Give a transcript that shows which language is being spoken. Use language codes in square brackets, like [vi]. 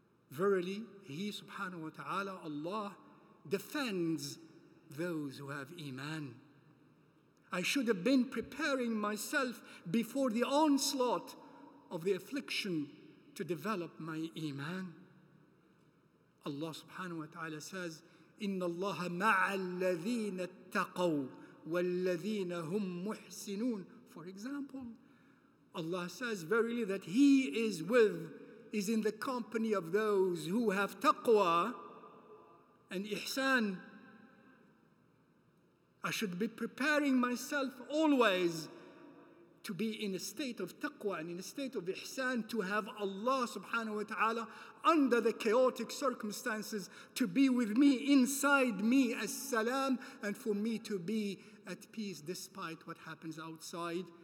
[en] Verily, he subhanahu wa ta'ala, Allah, defends those who have iman. I should have been preparing myself before the onslaught of the affliction to develop my iman. [ar] Allah subhanahu wa ta'ala says, إِنَّ اللَّهَ مَعَ الَّذِينَ اتَّقَوْا وَالَّذِينَ هُمْ مُحْسِنُونَ. [en] For example, Allah says, verily, that He is with, is in the company of those who have taqwa and ihsan. I should be preparing myself always to be in a state of taqwa and in a state of ihsan, to have Allah subhanahu wa ta'ala under the chaotic circumstances to be with me, inside me, as salam, and for me to be at peace despite what happens outside.